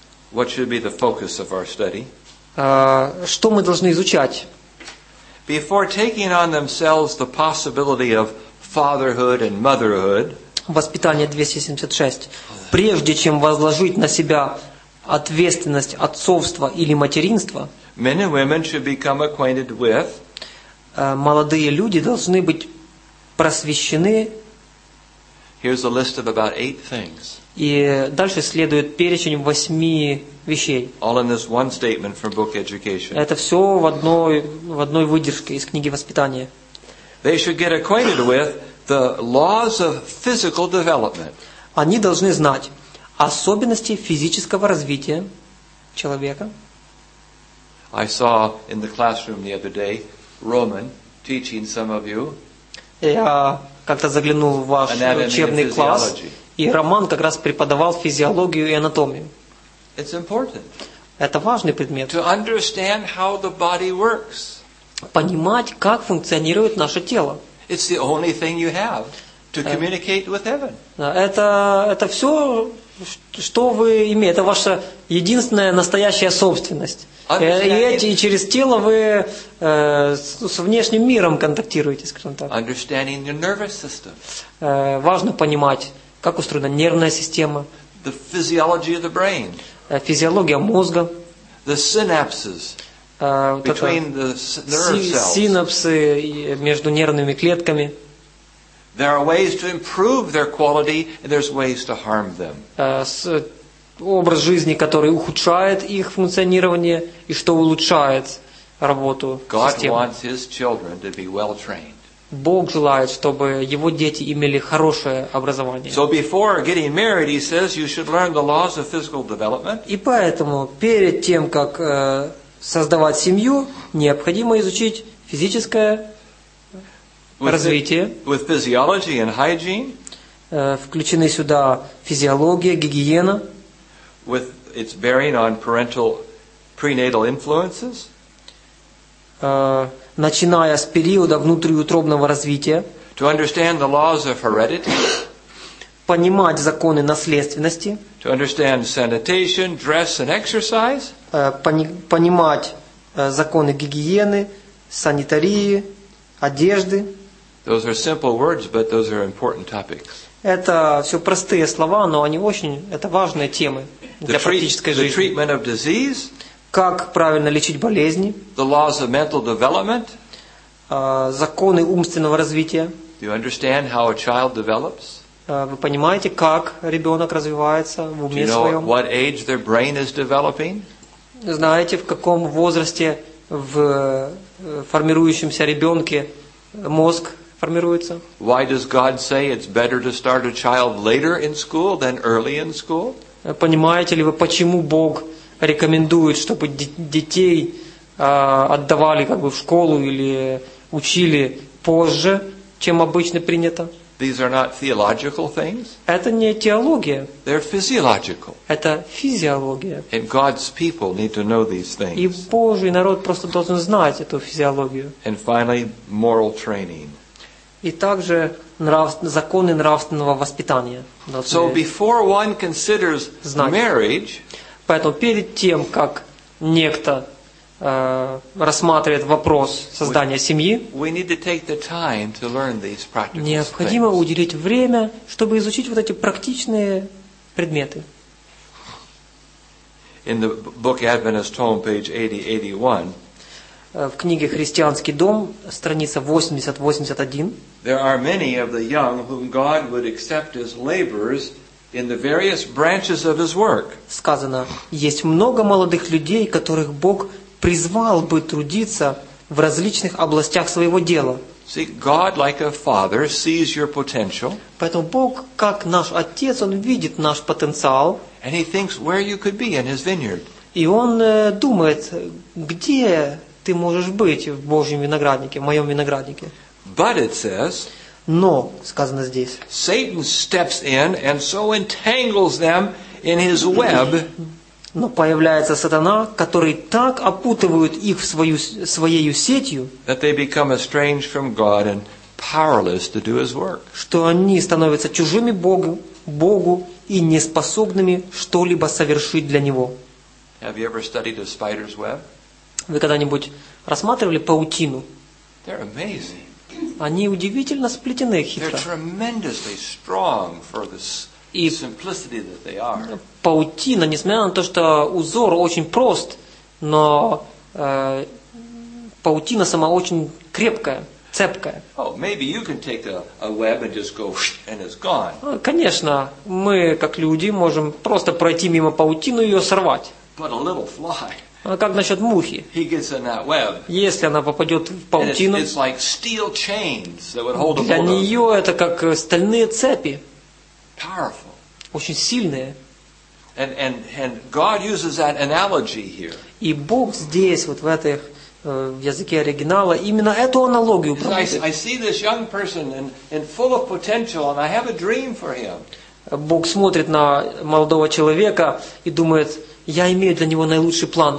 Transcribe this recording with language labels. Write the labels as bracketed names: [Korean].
[English] What should be the focus of our study? [Russian] Что мы должны изучать? [English] Before taking on themselves the possibility of fatherhood and motherhood, [Russian] воспитание 276, прежде чем возложить на себя ответственность отцовства или материнства, [English] men and women should become acquainted with, [Russian] молодые люди должны быть просвещены. [English] Here's a list of about eight things. [Russian] И дальше следует перечень восьми вещей. [English] All in this one statement from book education. [Russian] Это все в одной выдержке из книги «Воспитание». [English] They should get acquainted with the laws of physical development. [Russian] Они должны знать особенности физического развития человека. [English] I saw in the classroom the other day Roman teaching some of you. [Russian] Я как-то заглянул в ваш учебный класс, и Роман как раз преподавал физиологию и анатомию. [English] It's important. [Russian] Это важный предмет. [English] To understand how the body works. [Russian] Понимать, как функционирует наше тело. [English] It's the only thing you have. to communicate with heaven. [Russian] Это все, что вы имеете. Это ваша единственная настоящая собственность. И через тело вы с внешним миром контактируете, скажем так. [English] Understanding your nervous system. [Russian] Важно понимать, как устроена нервная система. [English] The physiology of the brain. [Russian] Физиология мозга. [English] The synapses. Between the nerve cells. [Russian] Синапсы между нервными клетками. [English] There are ways to improve their quality, and there's ways to harm them. [Russian] Образ жизни, который ухудшает их функционирование, и что улучшает работу системы. [English] God wants His children to be well trained. [Russian] Бог желает, чтобы его дети имели хорошее образование. [English] So before getting married, He says you should learn the laws of physical development. [Russian] И поэтому перед тем как создавать семью, необходимо изучить физическое развитие. [English] With physiology and hygiene. [Russian] Включены сюда физиология, гигиена. [English] With its bearing on parental prenatal influences. [Russian] Начиная с периода внутриутробного развития. [English] To understand the laws of heredity. [Russian] Понимать законы наследственности. [English] To understand sanitation, dress and exercise. [Russian] Понимать законы гигиены, санитарии, одежды. [English] Those are simple words, but those are important topics. [Russian] Это все простые слова, но они очень, это важные темы для практической жизни. [English] The treatment of disease. [Russian] Как правильно лечить болезни. [English] The laws of mental development. [Russian] Законы умственного развития. [English] Do you understand how a child develops? [Russian] Вы понимаете, как ребенок развивается в уме своем? [English] Do you know what age their brain is developing? [Russian] Знаете, в каком возрасте в формирующемся ребенке мозг формируется? [English] Why does God say it's better to start a child later in school than early in school? [Russian] Понимаете ли вы, почему Бог рекомендует, чтобы детей отдавали как бы в школу или учили позже, чем обычно принято? [English] These are not theological things. [Russian] Это не теология. [English] They're physiological. [Russian] Это физиология. [English] And God's people need to know these things. [Russian] И Божий народ просто должен знать эту физиологию. [English] And finally, moral training. [Russian] И также законы нравственного воспитания. [English] So before one considers marriage, [Russian] поэтому перед тем, как некто рассматривает вопрос создания семьи, необходимо уделить время, чтобы изучить вот эти практичные предметы. [English] In the book Adventist Home, page 80-81, [Russian] в книге «Христианский дом», страница 80-81, [English] there are many of the young whom God would accept as laborers in the various branches of His work. [Russian] Сказано, есть много молодых людей, которых Бог призвал бы трудиться в различных областях своего дела. [English] See, God, like a father, sees your potential. [Russian] Поэтому Бог, как наш отец, Он видит наш потенциал. [English] And He thinks where you could be in His vineyard. [Russian] И Он думает, где ты можешь быть в Божьем винограднике, в моем винограднике. [English] But it says, [Russian] но, сказано здесь, [English] Satan steps in and so entangles them in his web. [Russian] Но появляется сатана, который так опутывает их в своей сетью, [English] that they become estranged from God and powerless to do his work. [Russian] Что они становятся чужими Богу и неспособными что-либо совершить для него. [English] Have you ever studied a spider's web? [Russian] Вы когда-нибудь рассматривали паутину? [English] They're amazing. [Russian] Они удивительно сплетены, хитро. [English] They're tremendously strong for the simplicity that they are. [Russian] Паутина, несмотря на то, что узор очень прост, но паутина сама очень крепкая, цепкая. [English] Oh, maybe you can take a web and just go and it's gone. [Russian] Конечно, мы как люди можем просто пройти мимо паутины и ее сорвать. [English] But a little fly. [Russian] А как насчет мухи? [English] He gets in that web. [Russian] Если она попадет в паутину, [English] it's like steel chains that would hold [Russian] для нее [English] of... [Russian] это как стальные цепи. [English] Powerful. [Russian] Очень сильные. [English] And God uses that analogy here. [Russian] И Бог здесь, вот в этой в языке оригинала, именно эту аналогию проводит. Бог смотрит на молодого человека и думает, я имею для него наилучший план.